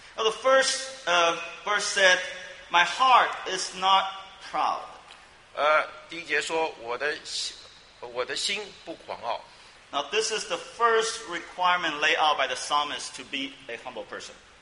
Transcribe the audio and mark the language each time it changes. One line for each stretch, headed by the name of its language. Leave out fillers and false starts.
English: Now the first verse said, "My heart is not proud."
Chinese: 第一节说我的心不狂傲。
English: Now this is the first requirement laid out by the psalmist to be a humble person.